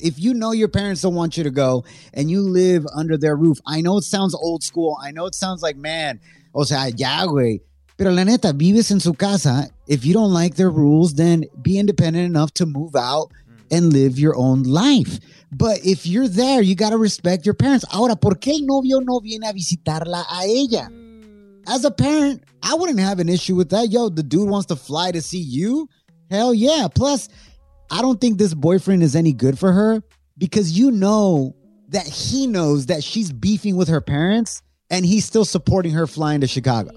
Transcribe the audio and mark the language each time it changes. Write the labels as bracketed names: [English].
[English] If you know your parents don't want you to go and you live under their roof, I know it sounds old school. I know it sounds like, man, [Spanish] o sea, ya, güey. Pero la neta, vives en su casa. [English] If you don't like their rules, then be independent enough to move out and live your own life. But if you're there, you got to respect your parents. [Spanish] Ahora, ¿por qué el novio no viene a visitarla a ella? [English] As a parent, I wouldn't have an issue with that. Yo, the dude wants to fly to see you? Hell yeah. Plus, I don't think this boyfriend is any good for her because you know that he knows that she's beefing with her parents and he's still supporting her flying to Chicago.